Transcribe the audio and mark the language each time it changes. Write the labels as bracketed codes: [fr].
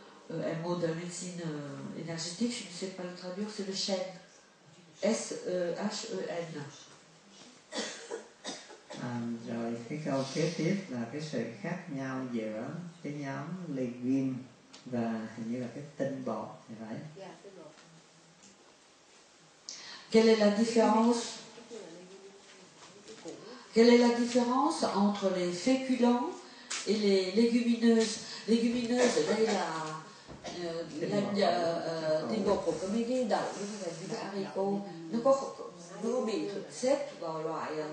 [fr] un mot de médecine énergétique, je ne sais pas le traduire, c'est le chêne. S-E-H-E-N. [vi] Rồi cái câu kế tiếp là cái sự khác nhau giữa cái nhóm legume và hình như là cái tinh bột, phải vậy? Yeah, tinh bột. [fr] Quelle est la différence? Quelle est la différence entre les féculents et les légumineuses? Légumineuses, là, il y a la [vi] tinh bột của mấy cái đậu, như là haricot, nó có nó bị xếp vào loại